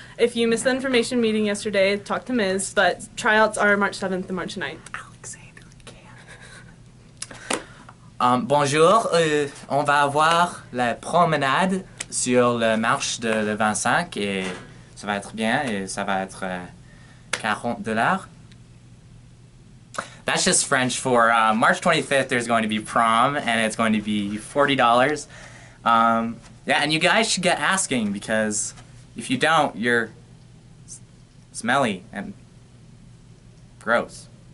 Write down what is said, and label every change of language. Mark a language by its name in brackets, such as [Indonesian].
[English] If you missed the information meeting yesterday, talk to Ms., but tryouts are March 7th and March 9th. Alexandre can. [French] Bonjour, on va avoir la promenade sur le marche de le 25 et ça va être bien et ça va être $40. [English] That's just French for March 25th, there's going to be prom and it's going to be $40. Yeah, and you guys should get asking, because if you don't, you're smelly and gross.